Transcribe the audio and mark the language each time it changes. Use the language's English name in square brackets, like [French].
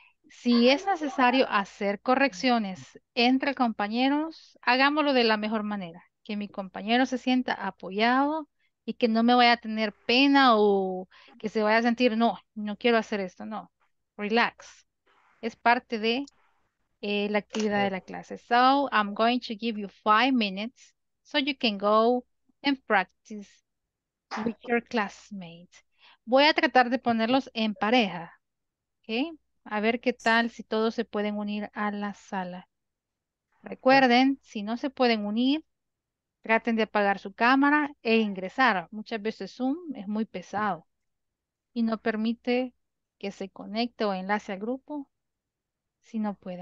[Spanish] Si es necesario hacer correcciones entre compañeros, hagámoslo de la mejor manera. Que mi compañero se sienta apoyado y que no me vaya a tener pena o que se vaya a sentir, no, no quiero hacer esto, no. Relax. Es parte de la actividad de la clase. [English] So, I'm going to give you 5 minutes so you can go and practice with your classmates. [Spanish] Voy a tratar de ponerlos en pareja. ¿Okay? A ver qué tal si todos se pueden unir a la sala. Recuerden, si no se pueden unir, traten de apagar su cámara e ingresar. Muchas veces Zoom es muy pesado y no permite que se conecte o enlace al grupo si no puede.